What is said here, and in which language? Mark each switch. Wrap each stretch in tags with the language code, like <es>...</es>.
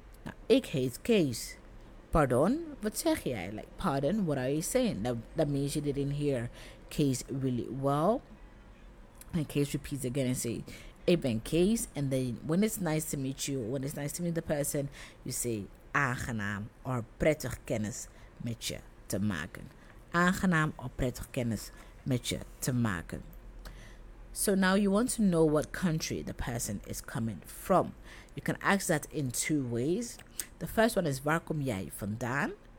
<nl>Nou, ik heet Kees. Pardon? Wat zeg jij?</nl> <en>Like, pardon? What are you saying? That means you didn't hear Kees really well. And Kees repeats again and say,</en> <nl>ik ben Kees,</nl> <en>and then when it's nice to meet you, when it's nice to meet the person, you say aangenaam or</en> <nl>prettig kennis met je te maken. Aangenaam or prettig kennis met je te maken.</nl> <en>So now you want to know what country the person is coming from. You can ask that in 2 ways. The first one is</en> <nl>waar kom jij vandaan?</nl>